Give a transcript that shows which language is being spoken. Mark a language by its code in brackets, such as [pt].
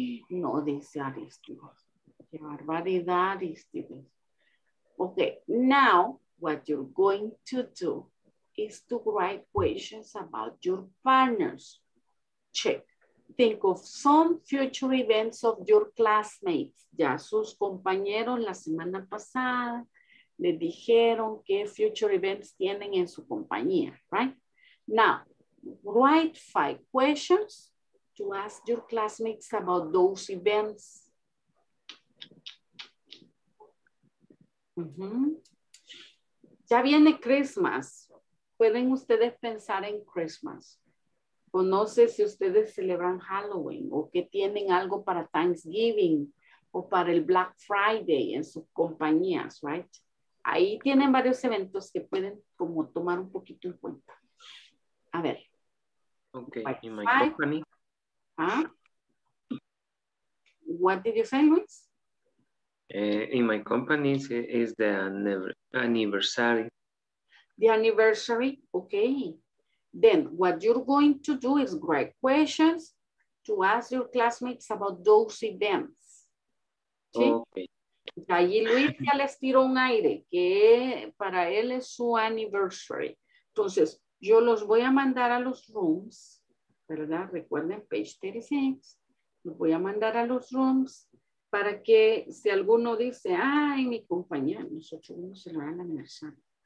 [es] No, dice Aristide. Qué barbaridad, Aristide. [en] Okay, now what you're going to do is to write questions about your partners. Check. Think of some future events of your classmates. [es] Ya sus compañeros la semana pasada le dijeron qué [en] future events [es] tienen en su compañía, [en] right? Now, write five questions to ask your classmates about those events. [es] Mm-hmm. Ya viene Christmas. ¿Pueden ustedes pensar en Christmas? O no sé si ustedes celebran Halloween o que tienen algo para Thanksgiving o para el Black Friday en sus compañías, [en] right? [es] Ahí tienen varios eventos que pueden como tomar un poquito en cuenta. A ver. [en] Okay, in my company. Huh? What did you say, Luis? In my company, is the anniversary. The anniversary, okay. Then what you're going to do is great questions to ask your classmates about those events. Okay. [es] Y ahí Luis ya les tiró un aire, que para él es su anniversary. Entonces, yo los voy a mandar a los rooms. ¿Verdad? Recuerden, page 36. Los voy a mandar a los rooms para que si alguno dice, ay, mi compañía, nosotros vamos a celebrar la aniversario.